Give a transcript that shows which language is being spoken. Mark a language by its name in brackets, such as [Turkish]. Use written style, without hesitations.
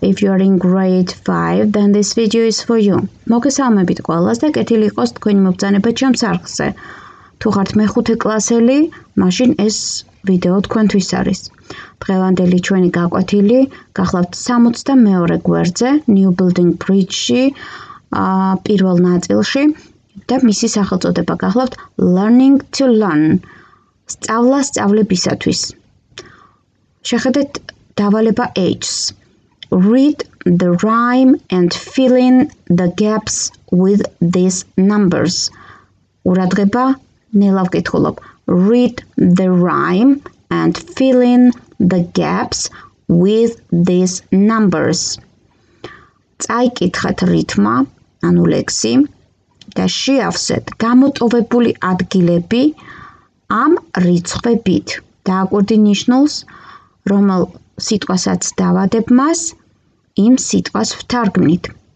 [English] If you are in grade 5, then this video is for you. [Georgian] მოგესალმებით ყველას და კეთილი იყოს თქვენი მობრძანება ჩემს არხზე. თუ ხართ მე-5 კლასელი, მაშინ ეს ვიდეო თქვენთვის არის. დღევანდელი ჩვენი გაკვეთილი გახლავთ 62 გვერდზე, New Building Bridge-ში, პირველ ნაწილში და მისი სახელწოდება გახლავთ Learning to Learn. სწავლა სწავლებისათვის. შეხედეთ დავალება H-ს. [English] Read the rhyme and fill in the gaps with these numbers. [Georgian] ურადღება ნელავ კითხულობ. [English] Read the rhyme and fill in the gaps with these numbers. [Georgian] წაიკითხეთ რითმა, ანუ ლექსი და შეავსეთ გამოტოვებული ადგილები ამ რიცხვებით. დააკორდინიშნოს რომელ სიტყვასაც დავადებ მას, იმ სიტყვას ვთარგმნით.